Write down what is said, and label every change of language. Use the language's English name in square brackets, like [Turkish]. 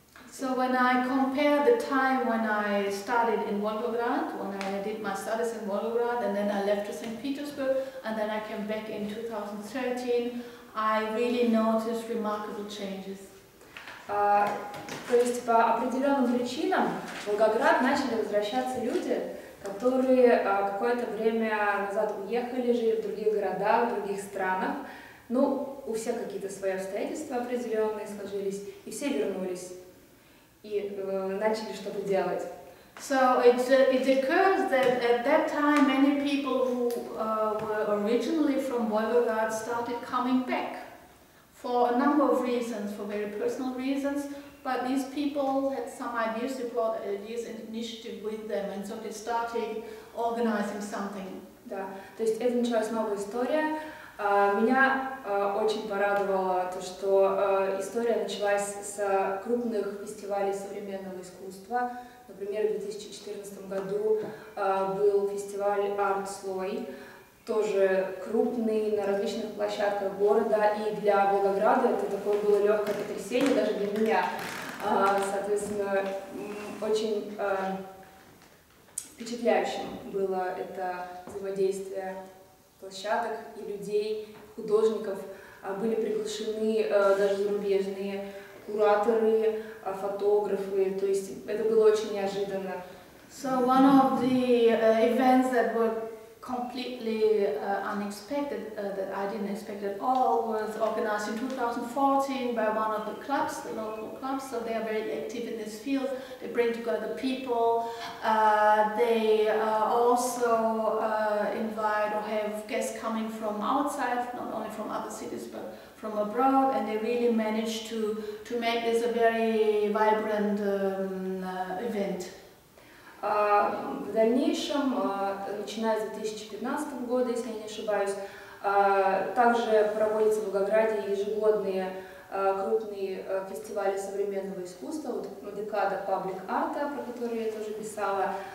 [English] So when I compare the time when I started in Volgograd, when I did my studies in Volgograd, and then I left to St. Petersburg, and then I came back in 2013, I really noticed remarkable changes. [Russian] То есть по определенным причинам в Волгоград начали возвращаться люди, которые какое-то время назад уехали, жили в других городах, в других странах. Ну, у всех какие-то свои обстоятельства определенные сложились, и все вернулись. И начали что-то делать. [English] So it occurs that at that time many people who were originally from Volgograd started coming back for a number of reasons, for very personal reasons, but these people had some ideas, they brought ideas and initiative with them, and so they started organizing something. [Russian] Да, то есть это началась новая история. Меня очень порадовало то, что история началась с крупных фестивалей современного искусства. Например, в 2014 году был фестиваль Art Sloy, тоже крупный, на различных площадках города. И для Волгограда это такое было легкое потрясение, даже для меня. Соответственно, очень впечатляющим было это взаимодействие площадок и людей, художников, были приглашены даже зарубежные кураторы, фотографы, то есть это было очень неожиданно. [English] So one of the events that were completely unexpected, that I didn't expect at all, was organized in 2014 by one of the clubs, the local clubs, so they are very active in this field, they bring together people, they also invite or have guests coming from outside, not only from other cities, but from abroad, and they really managed to make this a very vibrant event. [Russian] В дальнейшем, начиная с 2015 года, если я не ошибаюсь, также проводятся в Волгограде ежегодные крупные фестивали современного искусства, вот декада Public Art, про которую я тоже писала.